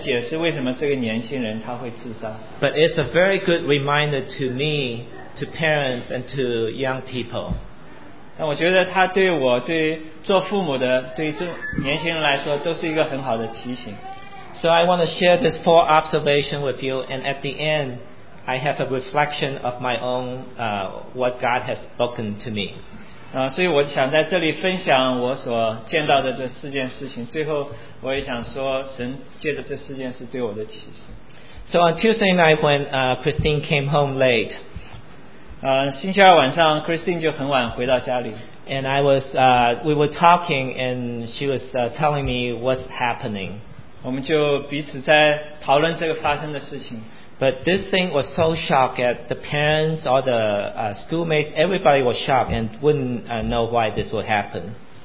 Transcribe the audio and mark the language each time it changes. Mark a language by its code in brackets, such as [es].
[en] But it's a very good reminder to me, to parents, and to young people. [zh] 但我觉得他对我、对做父母的、对年轻人来说，都是一个很好的提醒。 [en] So I want to share this four observations with you, and at the end, I have a reflection of my own what God has spoken to me. [zh] 所以我想在这里分享我所见到的这四件事情。最后，我也想说，神借着这四件事对我的提醒。So [en] on Tuesday night, when Christine came home late. [zh] 星期二晚上 Christine 就很晚回到家里。 [en] And I was, we were talking, and she was telling me what's happening. [zh] 我们就彼此在讨论这个发生的事情。 [en] But this thing was so shocked that the parents or the schoolmates, everybody was shocked and wouldn't know why this would happen.